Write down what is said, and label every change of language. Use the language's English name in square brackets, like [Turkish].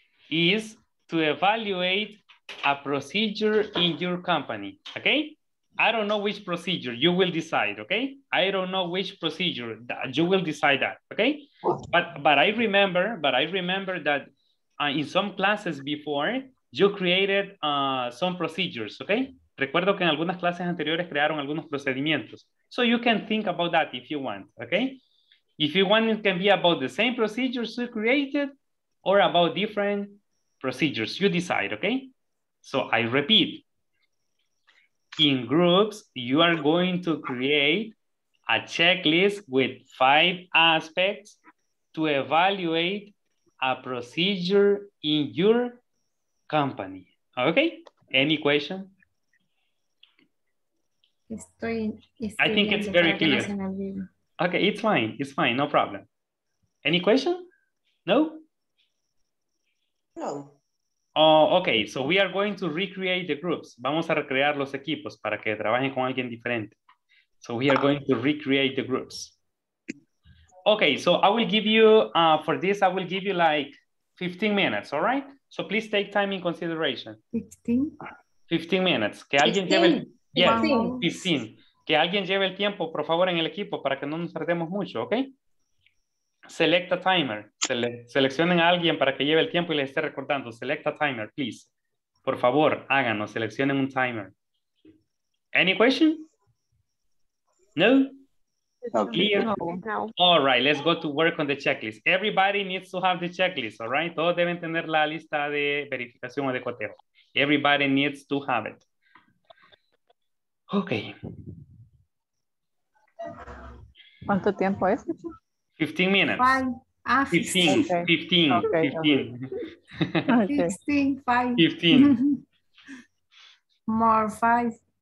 [English] Is to evaluate a procedure in your company. Okay? I don't know which procedure you will decide, okay? I don't know which procedure that you will decide that, okay? But I remember that in some classes before, you created some procedures, okay? [Spanish] Recuerdo que en algunas clases anteriores crearon algunos procedimientos. [English] So you can think about that if you want, okay? If you want, it can be about the same procedures you created or about different procedures. You decide, okay? So I repeat. In groups, you are going to create a checklist with five aspects to evaluate a procedure in your company. Okay? Any question? I think it's very clear. Okay, it's fine. It's fine. No problem. Any question? No? No. Oh, okay. So we are going to recreate the groups. [Spanish] Vamos a recrear los equipos para que trabajen con alguien diferente. [English] So we are going to recreate the groups. Okay, so I will give you, for this, I will give you like 15 minutes, all right? So please take time in consideration. 15 minutes. [Spanish] Que alguien [English] 15. [Spanish] Lleve el, yes, 15. 15. Que alguien lleve el tiempo, por favor, en el equipo para que no nos perdemos mucho, okay? [English] Select a timer. [Spanish] Seleccionen a alguien para que lleve el tiempo y les esté recordando. [English] Select a timer, please. [Spanish] Por favor, háganos, seleccionen un timer. [English] Any question? No? Clear. No. All right, let's go to work on the checklist. Everybody needs to have the checklist, all right? [Spanish] Todos deben tener la lista de verificación o de cotejo. [English] Everybody needs to have it. Okay. [Spanish] ¿Cuánto tiempo es? [English] 15 minutes. Five.